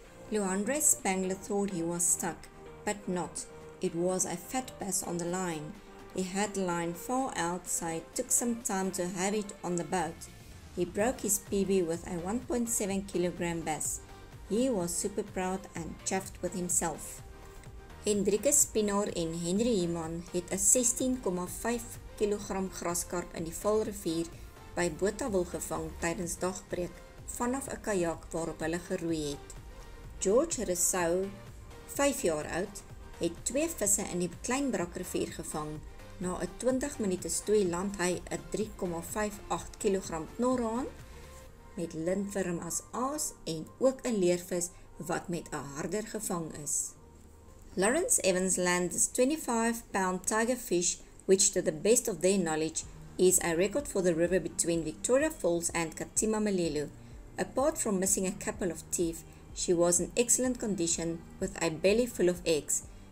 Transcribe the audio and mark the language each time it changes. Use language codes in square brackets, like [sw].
[en] Luandre Spangler thought he was stuck, but not. It was a fat bass on the line. He had the line far out, so it took some time to have it on the boat. He broke his PB with a 1.7 kg bass. He was super proud and chuffed with himself. [af] Hendrikus Spinaar en Henry Heeman het 'n 16,5 kg graskarp in die Vaalrivier by Botawil gevang tydens dagbreek vanaf 'n kajak waarop hulle geroei het. George Rousseau, 5 jaar oud, het 2 visse in die Klein Brakrivier gevang. Na 'n 20 minute stoei land hy 'n 3,58 kg knorhaan met lintvorm as aas en ook 'n leervis wat met 'n harder gevang is. [en] Lawrence Evans landed this 25-pound tiger fish, which to the best of their knowledge is a record for the river between Victoria Falls and Katima Malelu. Apart from missing a couple of teeth, she was in excellent condition with a belly full of eggs.